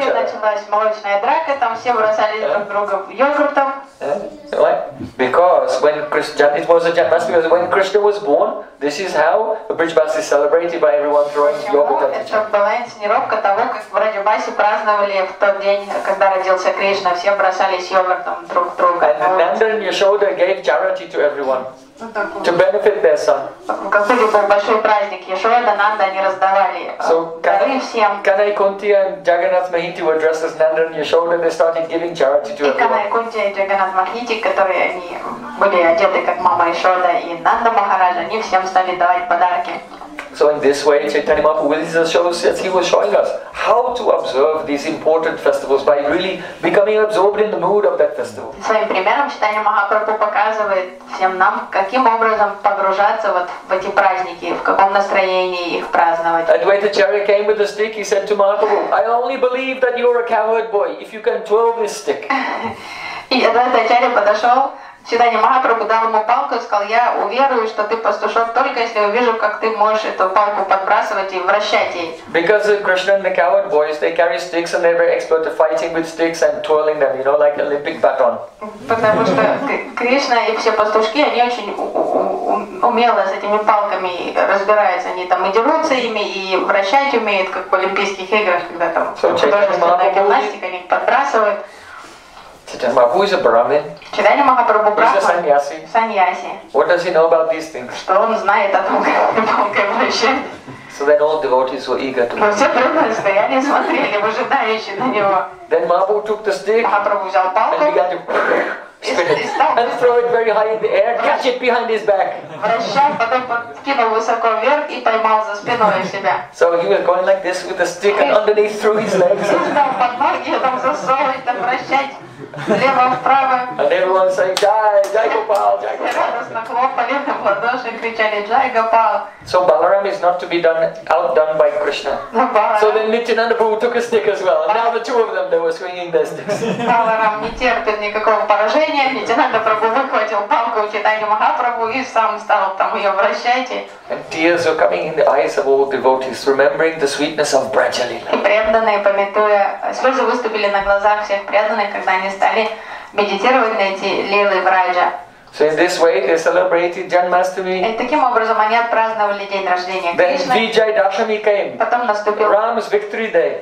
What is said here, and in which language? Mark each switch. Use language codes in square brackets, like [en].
[ru] Вскоре началась молочная драка, там все бросали друг друга йогуртом. [en] Why? Because Bhaktivas, when Krishna, it was a Janmashtami because when Krishna was born, this is how the Brij Bhasi is celebrated by everyone throwing yogurt at each other. [ru] Почему? Это была инсценировка того, как в Брадже Баси праздновали в тот день, когда родился Кришна, все бросались йогуртом друг друга. [en] And Nanda and Yashoda gave charity to everyone to benefit their son. [ru] Какой был большой праздник, Яшода, Нанда, они раздавали дары всем. [en] Kanai Kunti and Jagannath Mahinti were dressed as Nanda and Yashoda, they started giving charity to everyone. [ru] Kanai Kunti and Jagannath Mahinti, которые они были одеты как мама Яшода и Нанда Махараджа, они всем стали давать подарки. [en] So in this way, Chaitanya Mahaprabhu, he was showing us how to observe these important festivals by really becoming absorbed in the mood of that festival. [ru] Своим примером Chaitanya Mahaprabhu показывает всем нам, каким образом погружаться вот в эти праздники, в каком настроении их праздновать. [en] Advaita Charya came with a stick. He said to Mahaprabhu, "I only believe that you're a cowherd boy if you can twirl this stick." [ru] И Advaita Charya подошел. Chaitanya Mahaprabhu дал ему палку и сказал, я уверую, что ты пастушок, только если увижу, как ты можешь эту палку подбрасывать и вращать ей. [en] Because of Krishna and the coward boys, they carry sticks and they're very expert at fighting with sticks and twirling them, you know, like Olympic baton. [ru] Потому что Кришна и все пастушки, они очень умело с этими палками разбираются. Они там и дерутся ими, и вращать умеют, как в Олимпийских играх, когда там художественная гимнастика, они их подбрасывают. [en] Chaitanya Mahaprabhu is a Brahmin. Chaitanya Mahaprabhu is a sannyasi. Sannyasi. What does he know about these things? [ru] Что он знает о том, как вращать? [en] So then all devotees were eager to. [ru] Но все преданные стояли, смотрели, ожидающие на него. [en] Then Mahaprabhu took the stick. [ru] Mahaprabhu взял палку. [en] And began to spin it and throw it very high in the air, catch it behind his back. [ru] Вращать, потом подкинул высоко вверх и поймал за спиной себя. [en] So he was going like this with the stick and underneath through his legs. [ru] Там под ноги, там засовывать, там вращать. Лево, вправо. [en] And everyone saying, Jai, Jai Gopal, Jai [ru] Gopal. Ладоши, кричали, Jai Gopal. [en] So Balaram is not to be outdone by Krishna. So then Nityananda Prabhu took a stick as well. And now the two of them, they were swinging their sticks. [ru] Balaram не терпит никакого поражения. Nityananda Prabhu выхватил палку у Chaitanya Mahaprabhu и сам стал там ее вращать. [en] And tears were coming in the eyes of all devotees, remembering the sweetness of Brajalila. [ru] И преданные, памятуя, слезы выступили на глазах всех преданных, когда они стали медитировать на эти лилы Враджа. [en] So in this way they celebrated Janmashtami. [ru] И таким образом они отпраздновали день рождения Кришны. [en] Then Vijay Dashami came. [ru] Потом наступил [en] Ram's Victory Day.